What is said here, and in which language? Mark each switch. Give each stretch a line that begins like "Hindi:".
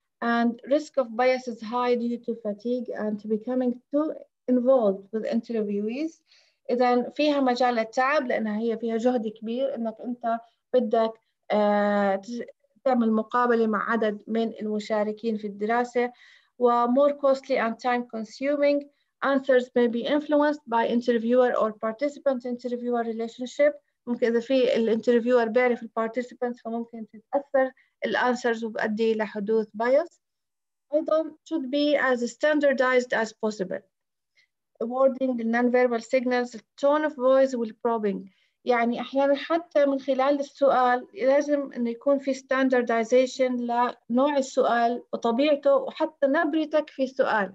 English: And risk of bias is high due to fatigue and to becoming too involved with interviewees.
Arabic: إذا فيها مجال للتعب لأنها هي فيها جهد كبير إنك أنت بدك تعمل مقابلة مع عدد من المشاركين في الدراسة.
English: و more costly and time consuming. Answers may be influenced by interviewer or participant interviewer relationship.
Arabic: ممكن إذا في الانترفيور بيعرف الparticipants فممكن تتأثر الانسرز وبأدي لحدوث bias. أيضا
English: should be as standardized as possible. Awarding the non-verbal signals, the tone of voice will probing.
Arabic: يعني أحيانا حتى من خلال السؤال لازم إنه يكون في standardization لنوع السؤال وطبيعته وحتى نبرتك في السؤال.